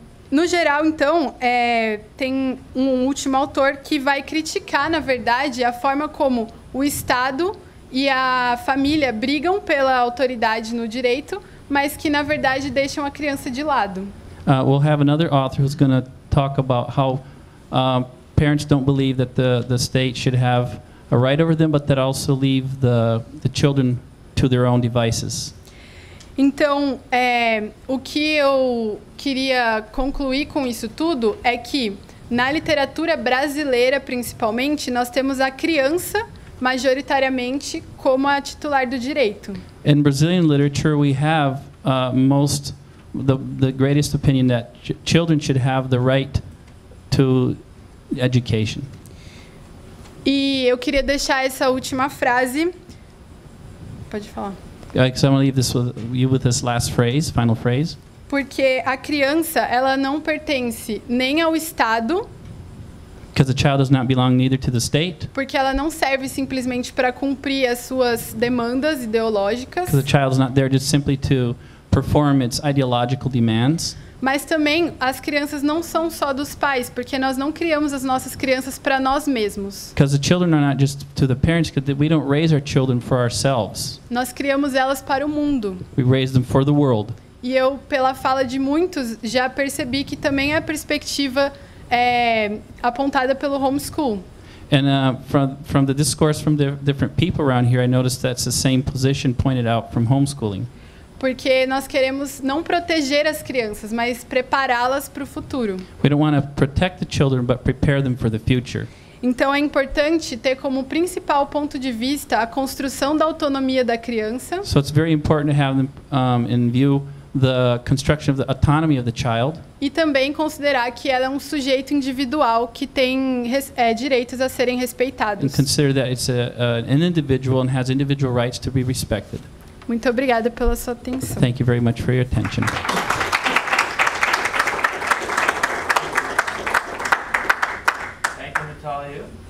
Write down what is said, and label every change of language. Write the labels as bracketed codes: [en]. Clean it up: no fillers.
[pt] No geral, então, tem um último autor que vai criticar, na verdade, a forma como o Estado e a família brigam pela autoridade no direito, mas que, na verdade, deixam a criança de lado. [en] We'll have another author who's going to talk about how parents don't believe that the state should have a right over them, but that also leave the children to their own devices. [pt] Então, o que eu queria concluir com isso tudo é que, na literatura brasileira, principalmente, nós temos a criança majoritariamente como a titular do direito. [en] In Brazilian literature, we have the greatest opinion that children should have the right to education. [pt] E eu queria deixar essa última frase. Pode falar. [en] Because I'm going to leave this with you with this last phrase, final phrase. [pt] Porque a criança, ela não pertence nem ao Estado. [en] Because the child does not belong neither to the state. [pt] Porque ela não serve simplesmente para cumprir as suas demandas ideológicas. [en] Because the child is not there just simply to perform its ideological demands. [pt] Mas também as crianças não são só dos pais, porque nós não criamos as nossas crianças para nós mesmos. [en] Because the children are not just to the parents, because we don't raise our children for ourselves. [pt] Nós criamos elas para o mundo. [en] We raise them for the world. [pt] E eu, pela fala de muitos, já percebi que também é a perspectiva apontada pelo homeschool. [en] And from the discourse from the different people around here, I noticed that's the same position pointed out from homeschooling. [pt] Porque nós queremos não proteger as crianças, mas prepará-las para o futuro. [en] We don't want to protect the children, but prepare them for the future. [pt] Então é importante ter como principal ponto de vista a construção da autonomia da criança. [en] So it's very important to have them in view the construction of the autonomy of the child. [pt] E também considerar que ela é um sujeito individual que tem direitos a serem respeitados. [en] And consider that it's an individual and has individual rights to be respected. [pt] Muito obrigada pela sua atenção. [en] Thank you very much for your attention. Thank you, Natália.